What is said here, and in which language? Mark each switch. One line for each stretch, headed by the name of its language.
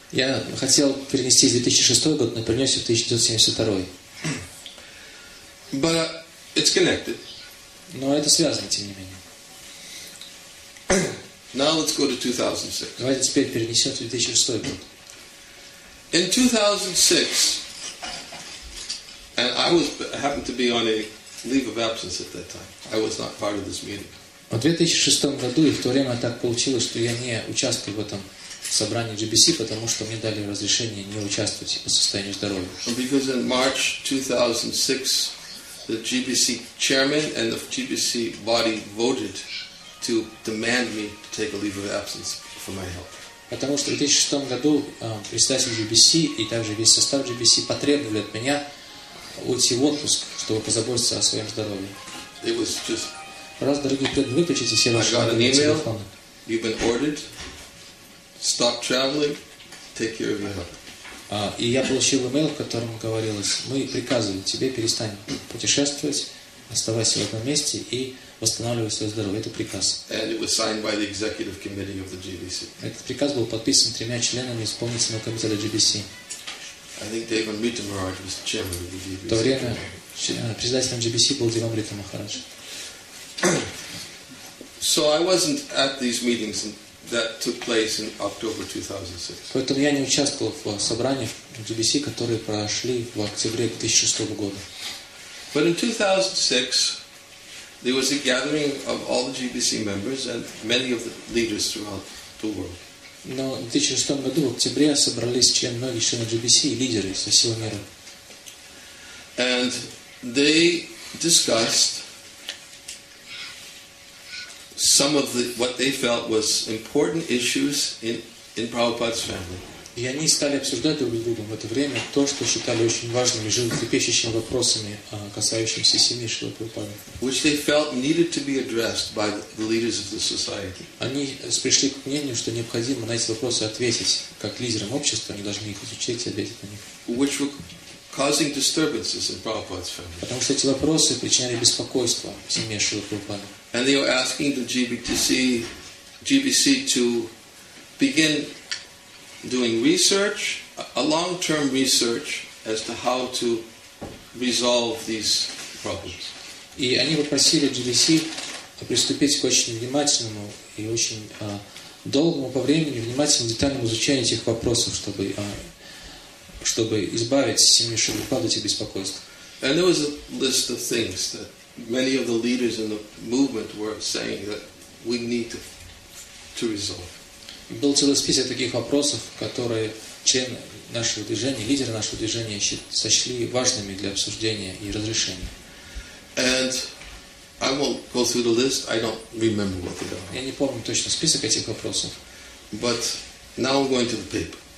Russian: Я хотел перенести 2006 год, но перенесся в 1972.
English: But it's connected.
Russian: Но это связано, тем не менее.
English: Now let's go to 2006.
Russian: Давайте теперь перенесем в 2006 год.
English: In 2006, and I was happened to be on a leave of absence at that time. I was not part of this meeting.
Russian: В 2006 году, и в то время так получилось, что я не участвовал в этом собрании GBC, потому что мне дали разрешение не участвовать по состоянию здоровья.
English: Because in March 2006, the GBC chairman and the GBC body voted to demand me to take a leave of absence for my health.
Russian: Потому что в 2006 году председатель GBC и также весь состав GBC потребовали от меня уйти в отпуск, чтобы позаботиться о своем здоровье.
English: It was just.
Russian: Раз, дорогие преданные, выключите все ваши мобильные телефоны.
English: You've been ordered. Stop traveling. Take care of your health.
Russian: И я получил имейл, в котором говорилось, мы приказываем тебе перестань путешествовать, оставайся в этом месте и восстанавливай свое здоровье. Это приказ.
English: And it was signed by the executive committee of the GBC.
Russian: Этот приказ был подписан тремя членами исполнительного комитета GBC.
English: I think David Mitamaraj was the chairman of the GBC.
Russian: В то время председателем GBC был Диван Рита Махарадж.
English: So I wasn't at these meetings that took place in October 2006.
Russian: Поэтому я не участвовал в собраниях GBC, которые прошли в октябре 2006 года.
English: But in 2006, there was a gathering of all the GBC members and many of the leaders throughout the world.
Russian: Но в 2006 году в октябре собрались члены многих членов GBC и лидеры со всего мира.
English: And they discussed some of the what they felt was important issues in Prabhupada's family.
Russian: И они стали обсуждать друг с другом в это время то, что считали очень важными животрепещущими вопросами, касающимися семьи Шрилы Прабхупады.
English: Which they felt needed to be addressed by the leaders of the society.
Russian: Они пришли к мнению, что необходимо на эти вопросы ответить, как лидерам общества, они должны их изучить и ответить на них.
English: Which were causing disturbances in Prabhupada's family.
Russian: Потому что эти вопросы причиняли беспокойство в семье Шрилы Прабхупады.
English: And they were asking the GBC to begin doing research, a long-term research as to how to resolve these problems.
Russian: И они попросили GBC приступить к очень внимательному и очень долгому по времени внимательному детальному изучению этих вопросов, чтобы избавить семью Шрилы Прабхупады от этих беспокойств.
English: And there was a list of things that many of the leaders in the movement were saying that we need to resolve.
Russian: Был целый список таких вопросов, которые члены нашего движения, лидеры нашего движения сочли важными для обсуждения и разрешения.
English: And I won't go through the list. I don't remember what they are.
Russian: Я не помню точно список этих вопросов.
English: But now I'm going to the paper.